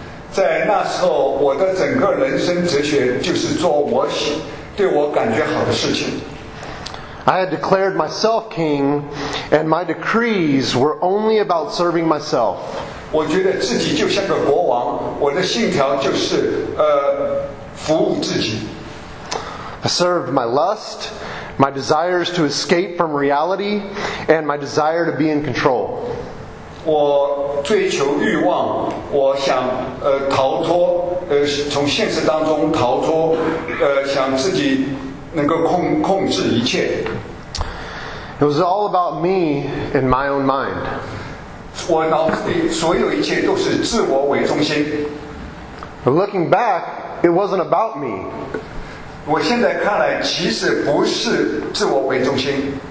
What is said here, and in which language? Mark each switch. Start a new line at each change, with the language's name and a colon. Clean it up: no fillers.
Chinese: 在那时候，我的整个人生哲学就是做我对我感觉好的事情。
English: I had declared myself king, and my decrees were only about serving myself.
Chinese: 我觉得自己就像个国王，我的信条就是服务自己。
English: I served my lust, my desires to escape from reality, and my desire to be in control.
Chinese: 我追求欲望，我想逃脱从现实当中逃脱想自己能够控制一切。
English: It was all about me and my own mind.
Chinese: 我脑子里所有一切都是自我为中心。
English: Looking back, it wasn't about me.
Chinese: 我现在看来其实不是自我为中心。